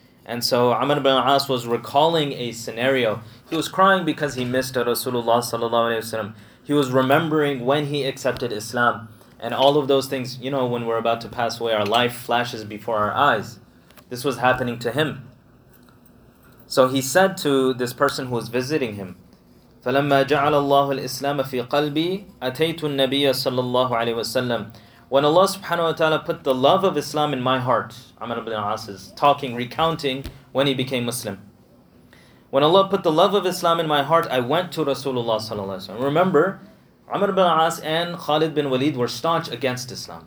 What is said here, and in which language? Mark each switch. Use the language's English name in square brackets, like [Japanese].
[English] And so Amr ibn As was recalling a scenario. He was crying because he missed Rasulullah sallallahu alayhi wa sallam. He was remembering when he accepted Islam and all of those things. You know, when we're about to pass away, our life flashes before our eyes. This was happening to him. So he said to this person who was visiting him, [Arabic] فَلَمَّا جَعَلَ اللَّهُ الْإِسْلَامَ فِي قَلْبِي أَتَيْتُ النَّبِيَّ صَلَّى اللَّهُ عَلَيْهِ وَسَلَّمَ. [English] When Allah subhanahu wa ta'ala put the love of Islam in my heart, Amr ibn As is talking, recounting when he became Muslim. When Allah put the love of Islam in my heart, I went to Rasulullah sallallahu alayhi wa sallam. Remember, Amr ibn As and Khalid bin Walid were staunch against Islam.